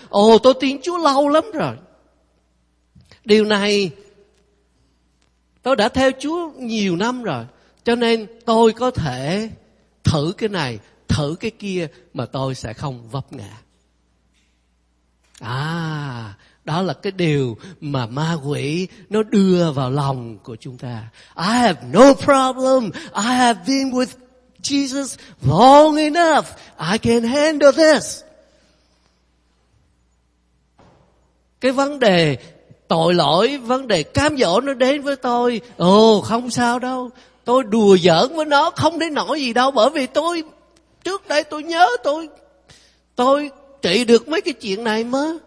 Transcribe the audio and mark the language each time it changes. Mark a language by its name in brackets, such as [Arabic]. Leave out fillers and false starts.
[Vietnamese] Ồ, tôi tin Chúa lâu lắm rồi. Điều này, tôi đã theo Chúa nhiều năm rồi. Cho nên tôi có thể thử cái này, thử cái kia, mà tôi sẽ không vấp ngã. À, đó là cái điều mà ma quỷ nó đưa vào lòng của chúng ta. [English] I have no problem. I have been with Jesus long enough. I can handle this. [Vietnamese] Cái vấn đề tội lỗi, vấn đề cám dỗ nó đến với tôi, ồ, không sao đâu, tôi đùa giỡn với nó, không đến nỗi gì đâu, bởi vì tôi, trước đây tôi nhớ tôi trị được mấy cái chuyện này mà.